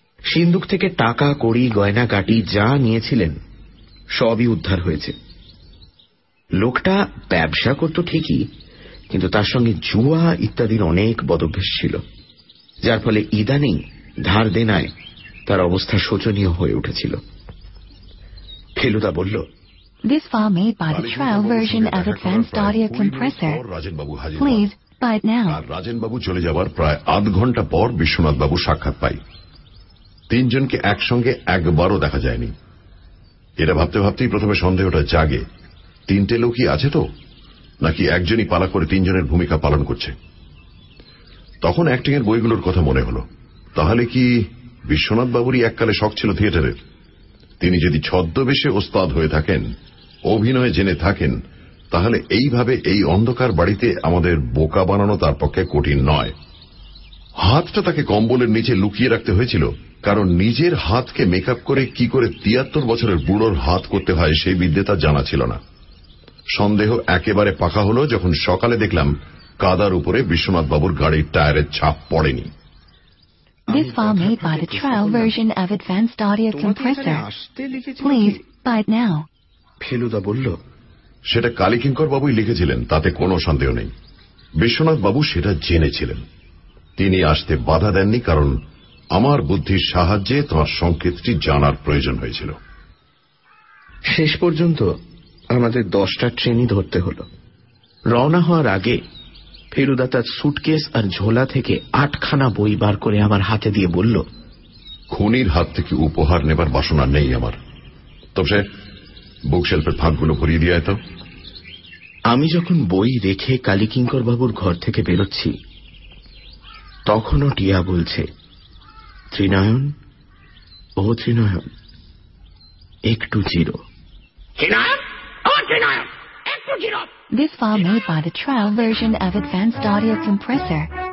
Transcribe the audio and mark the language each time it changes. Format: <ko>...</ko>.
<bn>সিন্ধুক থেকে টাকা কড়ি গয়না কাটি যা নিয়েছিলেন সবই উদ্ধার হয়েছে। লোকটা ব্যবসা করত ঠিকই, কিন্তু তার সঙ্গে জুয়া ইত্যাদির অনেক বদভ্যাস ছিল, যার ফলে ইদানিং ধার দেনায় তার অবস্থা শোচনীয় হয়ে উঠেছিল। ফেলুদা বলল,</bn> <en>This farm made by the trial version of Advanced Audio Compressor. Please, buy it now.</en> <bn>রাজেনবাবু চলে যাওয়ার প্রায় আধ ঘন্টা পর বিশ্বনাথবাবু সাক্ষাৎ পাই। তিনজনকে একসঙ্গে একবারও দেখা যায়নি। এরা ভাবতে ভাবতেই প্রথমে সন্দেহটা জাগে, তিনটে লোকই আছে তো, নাকি একজনই পালা করে তিনজনের ভূমিকা পালন করছে। তখন অ্যাক্টিং এর বইগুলোর কথা মনে হল। তাহলে কি বিশ্বনাথবাবুরই এককালে শখ ছিল থিয়েটারের? তিনি যদি ছদ্মবেশে ওস্তাদ হয়ে থাকেন, অভিনয়ে জেনে থাকেন, তাহলে এইভাবে এই অন্ধকার বাড়িতে আমাদের বোকা বানানো তার পক্ষে কঠিন নয়। হাতটা তাকে কম্বলের নিচে লুকিয়ে রাখতে হয়েছিল, কারণ নিজের হাতকে মেক আপ করে কি করে 73 বছরের বুড়োর হাত করতে হয় সেই বিদ্যে তার জানা ছিল না। সন্দেহ একেবারে পাকা হল যখন সকালে দেখলাম কাদার উপরে বিশ্বনাথবাবুর গাড়ির টায়ারের ছাপ পড়েনি।</bn> <en>This file made by the trial version of Advanced Audio Compressor. Please, buy it now.</en> <bn>Feluda বলল, সেটা কালীকিঙ্কর বাবুই লিখেছিলেন, তাতে কোনো সন্দেহ নেই। বিশ্বনাথ বাবু সেটা জেনেছিলেন, তিনি আসতে বাধা দেননি, কারণ আমার বুদ্ধির সাহায্যে তোমার সংকেতটি জানার প্রয়োজন হয়েছিল। শেষ পর্যন্ত আমাদের 10টা ট্রেনই ধরতে হল। রওনা হওয়ার আগে ফেলুদা তার সুটকেস আর ঝোলা থেকে আটখানা বই বার করে আমার হাতে দিয়ে বলল, খুনির হাত থেকে উপহার নেবার বাসনা নেই আমার, তবে বুকশেলফের ফাঁকগুলো ভরিয়ে দিয়ে তো। আমি যখন বই রেখে কালীকিঙ্কর বাবুর ঘর থেকে বেরোচ্ছি, তখনও টিয়া বলছে, ত্রিনয়ন, ও ত্রিনয়ন, একটু zero. Trinayan, O Trinayan,</bn> <en>This file made by the trial version of Advanced Audio Compressor.</en>